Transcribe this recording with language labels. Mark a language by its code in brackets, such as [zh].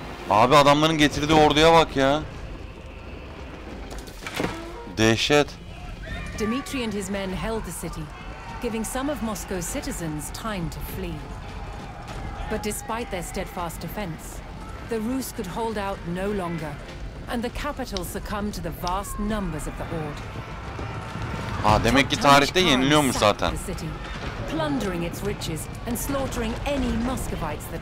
[tr] Abi adamların getirdiği orduya bak ya. Dehşet. [en] Dmitri and his men held the city, giving some of Moscow's citizens time to flee. But despite their steadfast defense, the Rus could hold out no longer, and the capital succumbed to the vast numbers of the horde. [tr] Ha, demek ki tarihte yeniliyormuş zaten. [en] Plundering its riches and slaughtering any Muscovites that